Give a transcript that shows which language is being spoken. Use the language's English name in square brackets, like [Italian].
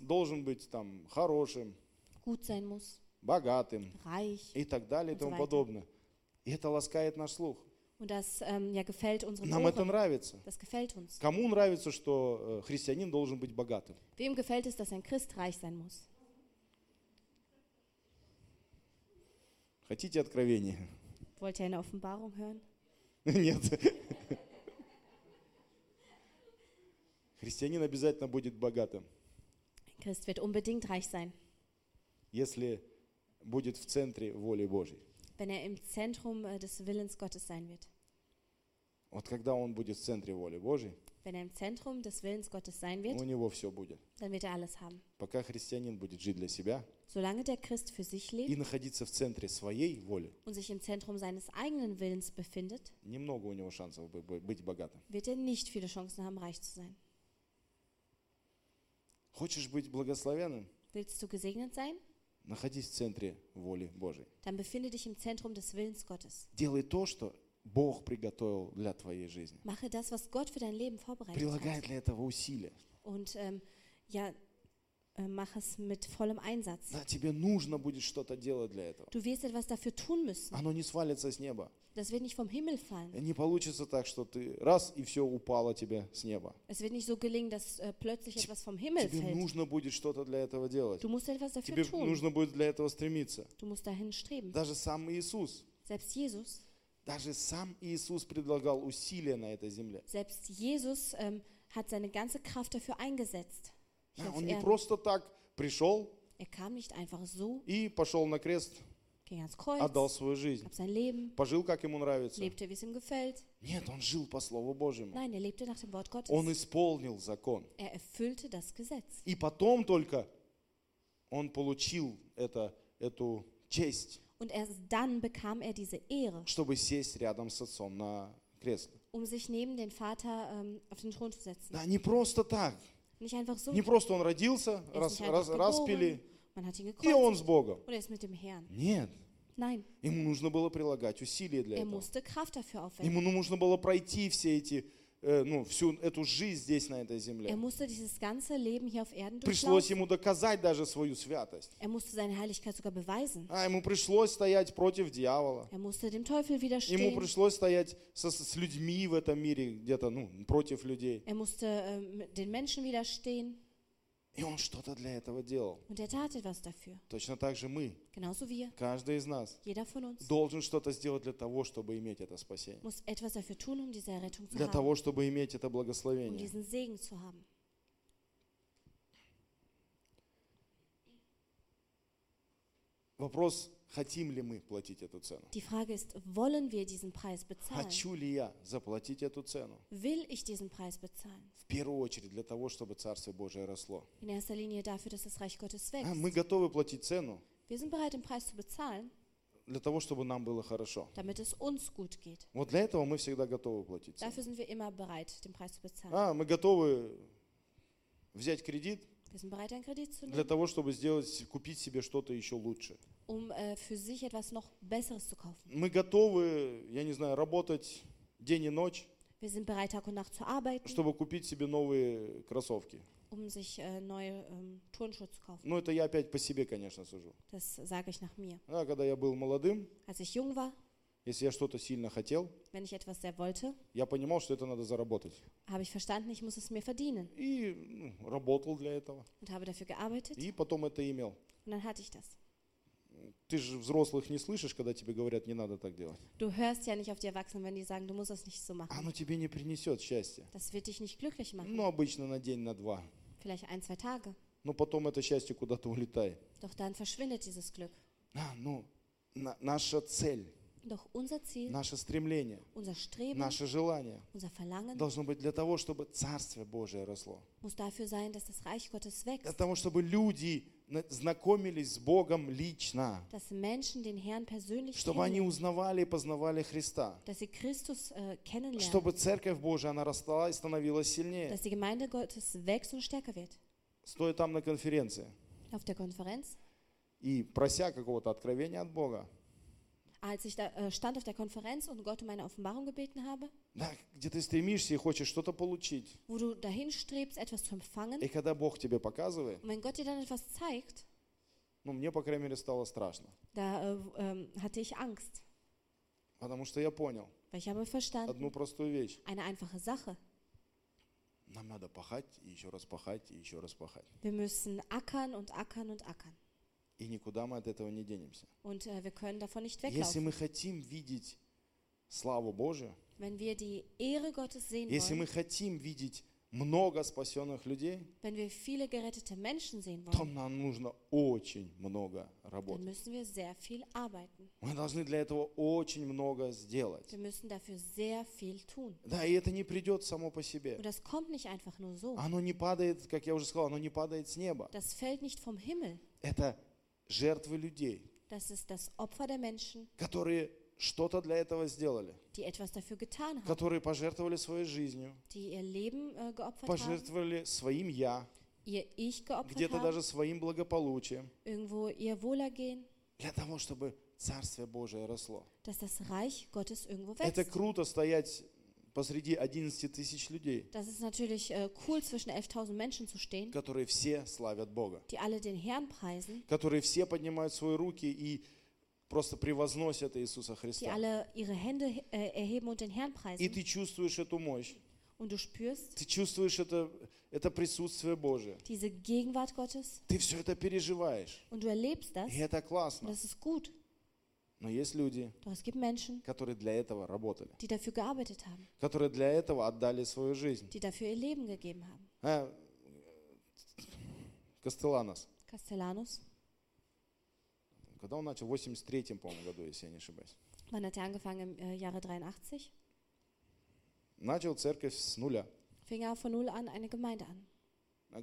[Russian] Должен быть там хорошим. [German] Gut sein muss. [Russian] Богатым. [German] Reich. [Russian] И так далее, и тому подобное. И это ласкает наш слух. [German] Das, ja, [Russian] Нам [German] Ohren. [Russian] Это нравится. [German] Das gefällt uns. [Russian] Кому нравится, что христианин должен быть богатым? [German] Wem gefällt es, dass ein Christ reich sein muss? [Russian] Хотите откровение? [German] Wollt ihr eine Offenbarung hören? [Russian] Нет. Христианин обязательно будет богатым. [German] Ein Christ wird unbedingt reich sein. [Russian] Если будет в центре воли Божьей. [German] Wenn er im Zentrum des Willens Gottes sein wird. [Russian] Вот когда он будет в центре воли Божьей, [German] wenn er im Zentrum des Willens Gottes sein wird, [Russian] у него все будет. [German] Dann wird er alles haben. [Russian] Пока христианин будет жить для себя, [German] solange der Christ für sich lebt, [Russian] и находиться в центре своей воли, [German] und sich im Zentrum seines eigenen Willens befindet, [Russian] немного у него шансов быть богатым. [German] Wird er nicht viele Chancen haben, reich zu sein. [Russian] Хочешь быть благословенным? [German] Willst du gesegnet sein? [Russian] Находись в центре воли Божьей. [German] Dann befinde dich im Zentrum des Willens Gottes. [Russian] Делай то, что Бог приготовил для твоей жизни. [German] Mache das, was Gott für dein Leben vorbereitet [Russian] Прилагай [German] hat. [Russian] Для этого усилия. [German] Und ja, mach es mit vollem Einsatz. [Russian] Да, тебе нужно будет что-то делать для этого. [German] Du wirst etwas dafür tun müssen. [Russian] Оно не свалится с неба. [German] Das wird nicht vom Himmel fallen. [Russian] Не получится так, что ты раз и все упало тебе с неба. [German] Es wird nicht so gelingen, dass plötzlich etwas vom Himmel [Russian] тебе [German] fällt. [Russian] Тебе нужно будет что-то для этого делать. [German] Du musst etwas dafür [Russian] тебе [German] tun. [Russian] Нужно будет для этого стремиться. [German] Du musst dahin streben. [Russian] Даже сам Иисус. [German] Selbst Jesus. [Russian] Даже сам Иисус предлагал усилия на этой земле. [German] Selbst Jesus hat seine ganze Kraft dafür eingesetzt. [Russian] Ja, он не просто так пришел [German] er kam nicht einfach so, [Russian] и пошел на крест, [German] ging ans Kreuz, [Russian] отдал свою жизнь, [German] gab sein Leben, [Russian] пожил, как ему нравится. [German] Lebte, wie es ihm gefällt. [Russian] Нет, он жил по Слову Божьему. [German] Nein, er lebte nach dem Wort Gottes. [Russian] Он исполнил закон. [German] Er erfüllte das Gesetz. [Russian] И потом только он получил эту честь, [German] und erst dann bekam er diese Ehre, [Russian] чтобы сесть рядом с отцом на крест. [German] Um sich neben den Vater auf den Thron zu setzen. [Russian] Да, не просто так. [German] Nicht einfach so. [Russian] Не просто он родился, распили, [German] geboren, [Russian] и он с Богом. [German] Oder ist mit dem Herrn. [Russian] Нет. [German] Nein. [Russian] Ему нужно было прилагать усилия для этого. [German] Musste Kraft dafür aufwenden. [Russian] Ему нужно было пройти все эти, ну, всю эту жизнь здесь, на этой земле. [German] Musste dieses ganze Leben hier auf Erden durchlaufen. [Russian] Пришлось ему доказать даже свою святость. [German] Musste seine Heiligkeit sogar beweisen. [Russian] А ему пришлось стоять против дьявола. [German] Musste dem Teufel widerstehen. [Russian] Ему пришлось стоять с людьми в этом мире, где-то, ну, против людей. [German] Musste den Menschen widerstehen. [Russian] И он что-то для этого делал. [German] Und er tat etwas dafür. [Russian] Точно так же мы. [German] Genauso wir. [Russian] Каждый из нас. [German] Jeder von uns. [Russian] Должен что-то сделать для того, чтобы иметь это спасение. [German] Muss etwas dafür tun, um diese Errettung zu haben. [Russian] Для того, чтобы иметь это благословение. [German] Um diesen Segen zu haben. [Russian] Вопрос, хотим ли мы платить эту цену? [German] Die Frage ist, wollen wir diesen Preis bezahlen? [Russian] Хочу ли я заплатить эту цену? [German] Will ich diesen Preis bezahlen? [Russian] В первую очередь для того, чтобы Царство Божие росло. [German] In erster Linie dafür, dass das Reich Gottes wächst. [Russian] Мы готовы платить цену. [German] Wir sind bereit, den Preis zu bezahlen. [Russian] Для того, чтобы нам было хорошо. [German] Damit es uns gut geht. [Russian] Вот для этого мы всегда готовы платить цену. [German] Dafür sind wir immer bereit, den Preis zu bezahlen. [Russian] Мы готовы взять кредит. [German] Wir sind bereit, einen Kredit zu nehmen. [Russian] Для того, чтобы сделать, купить себе что-то еще лучше. [German] Für sich etwas noch Besseres zu kaufen. [Russian] Мы готовы, я не знаю, работать день и ночь. [German] Wir sind bereit, Tag und Nacht zu arbeiten, [Russian] чтобы купить себе новые кроссовки. [German] Um sich neue Turnschuhe zu kaufen. [Russian] Ну, это я опять по себе, конечно, сужу. [German] Das sage ich nach mir. [Russian] Ja, когда я был молодым, [German] als ich jung war, [Russian] если я что-то сильно хотел, [German] wenn ich etwas sehr wollte, [Russian] я понимал, что это надо заработать. [German] Habe ich verstanden, ich muss es mir verdienen. [Russian] И работал для этого. [German] Und habe dafür gearbeitet. [Russian] И потом это имел. [German] Und dann hatte ich das. [Russian] Ты же взрослых не слышишь, когда тебе говорят, не надо так делать. [German] Du hörst ja nicht auf die Erwachsenen, wenn die sagen, du musst das nicht so machen. [Russian] Оно тебе не принесет счастья. [German] Das wird dich nicht glücklich machen. [Russian] Ну, обычно на день, на два. [German] Vielleicht ein, zwei Tage. [Russian] Но потом это счастье куда-то улетает. [German] Doch dann verschwindet dieses Glück. [Russian] А, ну, наша цель. [German] Doch unser Ziel, [Russian] наше стремление, [German] unser Streben, [Russian] наше желание, [German] unser Verlangen, [Russian] должно быть для того, чтобы Царствие Божие росло. [German] Muss dafür sein, dass das Reich Gottes wächst. [Russian] Для того, чтобы люди знакомились с Богом лично. [German] Dass Menschen den Herrn persönlich [Russian] чтобы [German] kennen, [Russian] они узнавали и познавали Христа. [German] Dass sie Christus, kennenlernen, [Russian] чтобы Церковь Божия она росла и становилась сильнее. [German] Dass die Gemeinde Gottes wächst und stärker wird. [Russian] Стоя там на конференции. [German] Auf der Konferenz. [Russian] И прося какого-то откровения от Бога. [German] Als ich da stand auf der Konferenz und Gott um eine Offenbarung gebeten habe, [Russian] да, где ты стремишься и хочешь что-то получить, [German] wo du dahin strebst, etwas zu empfangen, [Russian] и когда Бог тебе показывает, [German] und wenn Gott dir dann etwas zeigt, [Russian] ну, мне, по крайней мере, стало страшно, [German] da hatte ich Angst, [Russian] потому что я понял, [German] weil ich habe verstanden, [Russian] одну простую вещь, [German] eine einfache Sache, [Russian] нам надо пахать и еще раз пахать и еще раз пахать, [German] wir müssen ackern und ackern und ackern. [Russian] И никуда мы от этого не денемся. [German] Und, wir können davon nicht weglaufen. [Russian] Если мы хотим видеть славу Божию, [German] wenn wir die Ehre Gottes sehen [Russian] если [German] wollen, [Russian] мы хотим видеть много спасенных людей, [German] wenn wir viele gerettete Menschen sehen [Russian] то [German] wollen, [Russian] нам нужно очень много работать. [German] Dann müssen wir sehr viel arbeiten. [Russian] Мы должны для этого очень много сделать. [German] Wir müssen dafür sehr viel tun. [Russian] Да, и это не придет само по себе. [German] Und das kommt nicht einfach nur so. [Russian] Оно не падает, как я уже сказал, оно не падает с неба. [German] Das fällt nicht vom Himmel. [Russian] Это жертвы людей, [German] das ist das Opfer der Menschen, [Russian] которые что-то для этого сделали, [German] die etwas dafür getan haben, [Russian] которые пожертвовали своей жизнью, [German] die ihr Leben, geopfert [Russian] пожертвовали [German] haben, [Russian] своим «я», [German] ihr ich geopfert [Russian] где-то [German] haben, [Russian] даже своим благополучием, [German] irgendwo ihr Wohlergehen, [Russian] для того, чтобы Царствие Божие росло. [German] Dass das Reich Gottes irgendwo wächst. [Russian] Это круто стоять посреди 11 тысяч людей, [German] das ist natürlich, cool, zwischen 11.000 Menschen zu stehen, [Russian] которые все славят Бога, [German] die alle den Herrn preisen, [Russian] которые все поднимают свои руки и просто превозносят Иисуса Христа, [German] die alle ihre Hände, erheben und den Herrn preisen, [Russian] и ты чувствуешь эту мощь, [German] und du spürst, [Russian] ты чувствуешь это присутствие Божие, [German] diese Gegenwart Gottes, [Russian] ты все это переживаешь, [German] und du erlebst das, [Russian] и это классно, [German] und das ist gut. [Russian] Но есть люди, [German] doch es gibt Menschen, [Russian] которые для этого работали, [German] die dafür gearbeitet haben, [Russian] которые для этого отдали свою жизнь, [German] die dafür ihr Leben gegeben haben. Castellanos. Castellanos. [Russian] Когда он начал? В 83-м, по-моему, году, если я не ошибаюсь. [German] Wann hat er angefangen im Jahre 83? [Russian] Начал церковь с нуля. [German] Fing er von null an eine Gemeinde an.